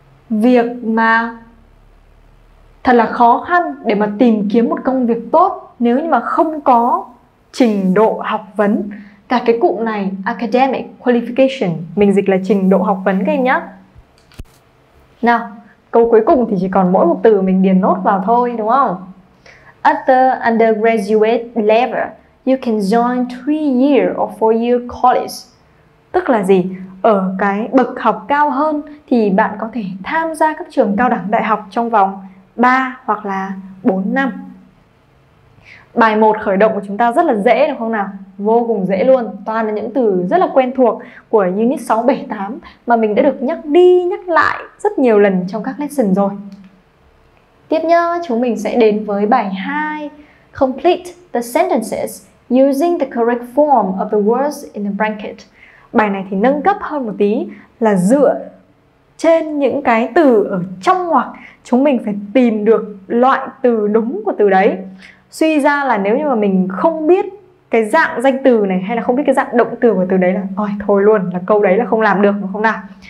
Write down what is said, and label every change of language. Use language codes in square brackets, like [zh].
[vi] Việc mà thật là khó khăn để mà tìm kiếm một công việc tốt nếu như mà không có trình độ học vấn. Cả cái cụm này [en] academic qualification [vi] mình dịch là trình độ học vấn các em nhé. Nào, câu cuối cùng thì chỉ còn mỗi một từ mình điền nốt vào thôi đúng không? [en] At the undergraduate level, you can join 3-year or 4-year college. [vi] Tức là gì? Ở cái bậc học cao hơn thì bạn có thể tham gia các trường cao đẳng đại học trong vòng 3 hoặc là 4 năm. Bài 1 khởi động của chúng ta rất là dễ đúng không nào? Vô cùng dễ luôn, toàn là những từ rất là quen thuộc của Unit 6, 7, 8 mà mình đã được nhắc đi nhắc lại rất nhiều lần trong các lesson rồi. Tiếp nhá, chúng mình sẽ đến với bài 2. [en] Complete the sentences using the correct form of the words in the bracket. [vi] Bài này thì nâng cấp hơn một tí là dựa trên những cái từ ở trong ngoặc, chúng mình phải tìm được loại từ đúng của từ đấy. Suy ra là nếu như mà mình không biết cái dạng danh từ này hay là không biết cái dạng động từ của từ đấy là ôi, thôi luôn, là câu đấy là không làm được đúng không nào.